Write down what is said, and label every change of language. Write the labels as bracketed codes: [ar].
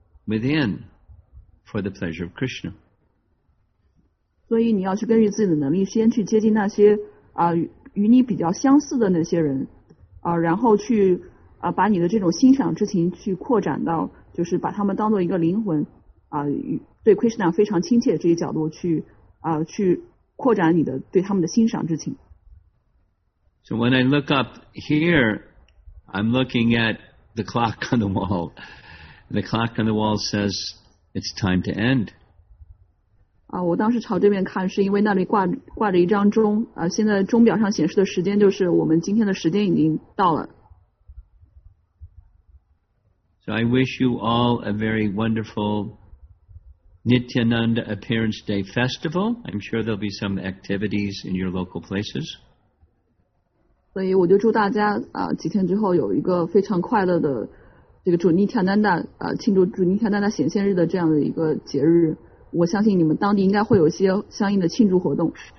[en] Within, for the pleasure of Krishna. [zh] 所以你要去根据自己的能力，先去接近那些啊与你比较相似的那些人，啊，然后去啊把你的这种欣赏之情去扩展到，就是把他们当做一个灵魂，啊，对 Krishna 非常亲切这一角度去啊去扩展你的对他们的欣赏之情。 [en] So when I look up here, I'm looking at the clock on the wall. The clock on the wall says it's time to end. [zh] 啊，我当时朝这边看，是因为那里挂着一张钟。啊，现在钟表上显示的时间就是我们今天的时间已经到了。 [en] So I wish you all a very wonderful Nityananda Appearance Day Festival. I'm sure there'll be some activities in your local places. [zh] 所以我就祝大家啊，几天之后有一个非常快乐的。这个主尼塔丹达庆祝主尼塔丹达显现日的这样的一个节日，我相信你们当地应该会有一些相应的庆祝活动。